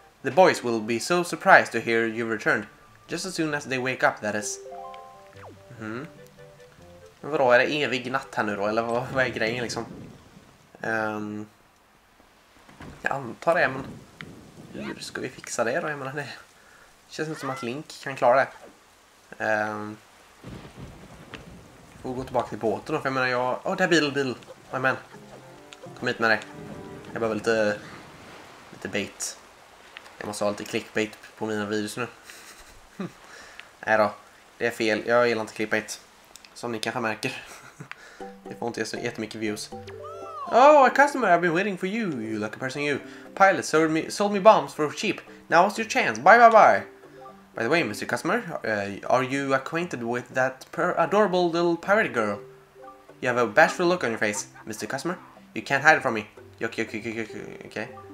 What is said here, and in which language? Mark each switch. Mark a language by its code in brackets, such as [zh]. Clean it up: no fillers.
[en] The boys will be so surprised to hear you've returned. Just as soon as they wake up, that is. Mm-hmm. [sv] Men vadå, är det evig natt här nu då? Eller vad är grejen liksom? Jag antar det, men... Hur ska vi fixa det då? Jag menar, det känns inte som att Link kan klara det. Vi får gå tillbaka till båten då, för jag menar jag... Åh, där är bil. Oh, amen. Kom hit med dig. Jag behöver lite bait. Jag måste ha lite clickbait på mina videos nu. Nej då, det är fel. Jag gillar inte clickbait. Som ni kanske märker. Det får inte så jättemycket views. [en] Oh, a customer, I've been waiting for you. You lucky person you. Pilot sold me bombs for cheap. Now's your chance. Bye bye bye. By the way, Mr. Customer, are you acquainted with that adorable little pirate girl? You have a bashful look on your face, Mr. Customer. You can't hide it from me. Okay.